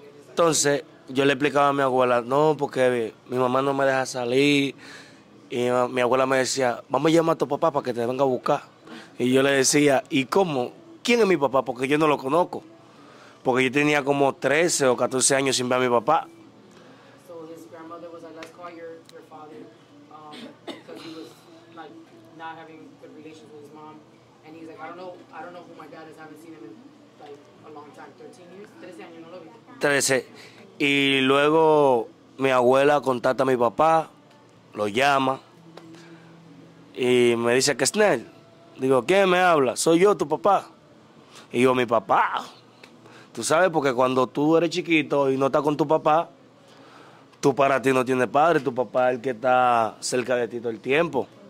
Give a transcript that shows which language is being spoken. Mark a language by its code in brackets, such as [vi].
[es] Entonces, yo le explicaba a mi abuela, no, porque mi mamá no me deja salir. Y mi abuela me decía, vamos a llamar a tu papá para que te venga a buscar. Y yo le decía, ¿y cómo? ¿Quién es mi papá? Porque yo no lo conozco. Porque yo tenía como 13 o 14 años sin ver a mi papá. [en] So his grandmother was like, let's call your father, because he was like not having good relations with his mom. And he's like, I don't know who my dad is, I haven't seen him in like a long time, 13 years, [es] 13 años, no lo vi. [en] 13. [es] Y luego mi abuela contacta a mi papá, lo llama y me dice que es Nel. Digo, ¿quién me habla? Soy yo, tu papá. Y yo, mi papá. Tú sabes, porque cuando tú eres chiquito y no estás con tu papá, tú para ti no tienes padre, tu papá es el que está cerca de ti todo el tiempo.